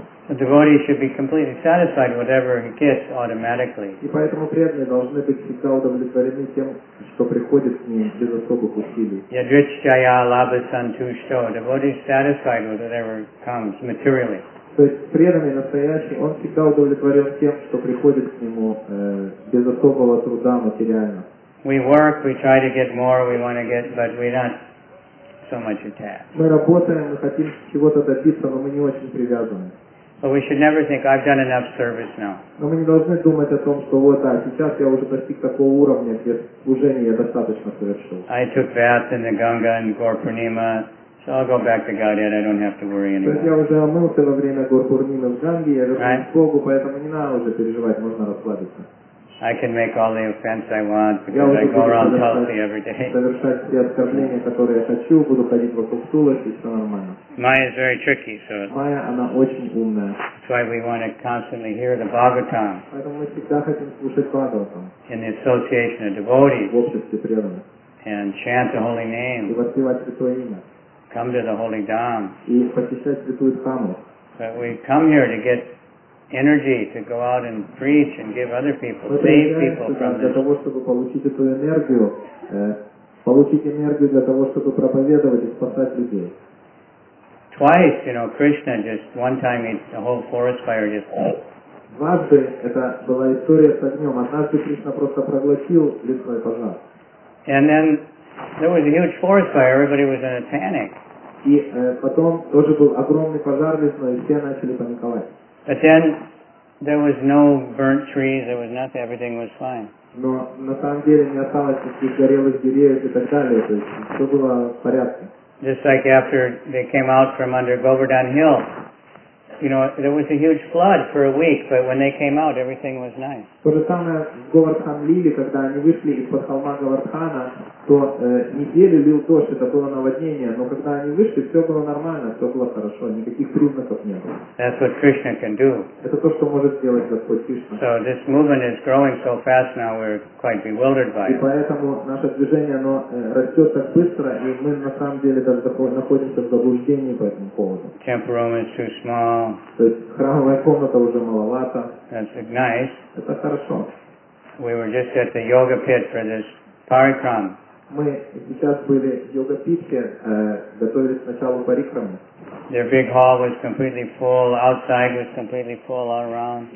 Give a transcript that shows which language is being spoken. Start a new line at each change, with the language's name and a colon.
English: A devotee should be completely satisfied whatever he gets automatically.
Russian: И поэтому преданные должны быть всегда удовлетворены тем, что приходит к ним без особых усилий.
Sanskrit: Yadrich jaya labha santushto.
English: Devotee is satisfied with whatever comes materially.
Russian: То есть преданный настоящий, он всегда удовлетворен тем, что приходит к нему без особого труда материально.
English: We work, we try to get more, we want to get, but we not so much attached.
Russian: Мы работаем, мы хотим чего-то добиться, но мы не очень привязаны.
English: But we should never think I've done enough service now.
Russian: Но мы не должны думать о том, что вот, а сейчас я уже достиг такого уровня, где служения я достаточно совершил.
English: I took baths in the Ganga and Gaur Purnima, so I'll go back to Godhead. I don't have to worry anymore.
Russian: То есть я уже омылся во время Гор Пурнимы в Ганге, я вернусь к Богу, поэтому не надо уже переживать, можно расслабиться.
English: I can make all the offense I want because I go around Tulsi every day.
Russian: Совершать все оскорбления, которые я хочу, буду ходить вокруг Тулси, все нормально.
English: Майя is very tricky, so.
Russian: Майя она очень умная.
English: That's why we want to constantly hear the Bhagavatam.
Russian: Поэтому мы всегда хотим слушать Бхагаватам.
English: In the association of devotees.
Russian: В обществе преданных.
English: And chant the holy name.
Russian: И воспевать святое имя.
English: Come to the holy dham.
Russian: И посещать святую дхаму.
English: But we come here to get energy to go out and preach and give other people, save people from this.
Russian: Для того, чтобы получить эту энергию, получить энергию для того, чтобы проповедовать и спасать людей.
English: Twice, you know, Krishna just one time the whole forest fire just.
Russian: Дважды это была история с огнем. Однажды Кришна просто проглотил лесной пожар.
English: And then There was a huge forest fire. Everybody was in a panic.
Russian: И потом тоже был огромный пожар лесной, и все начали паниковать.
English: But then there was no burnt trees. There was nothing. Everything was fine.
Russian: Но на самом деле не осталось никаких горелых деревьев и так далее. То есть все было в порядке.
English: Just like after they came out from under Govardhan Hill, you know, there was a huge flood for a week, but when they came out, everything was nice.
Russian: То же самое в Говардхан-Лиле, когда они вышли из-под холма Говардхана, то неделю лил дождь, это было наводнение, но когда они вышли, все было нормально, все было хорошо, никаких признаков не было.
English: That's what Krishna can do.
Russian: Это то, что может сделать Господь Кришна.
English: So this movement is growing so fast now, we're quite bewildered by it.
Russian: И поэтому наше движение, оно растет так быстро, и мы на самом деле даже находимся в заблуждении по этому поводу.
English: Temple room is too small.
Russian: То есть храмовая комната уже маловата.
English: That's nice.
Russian: Это хорошо.
English: We were just at the yoga pit for this Парикрам.
Russian: Мы сейчас были в йога-питке, готовились к началу парикрамы.
English: Their big hall was completely full, outside was completely full all around.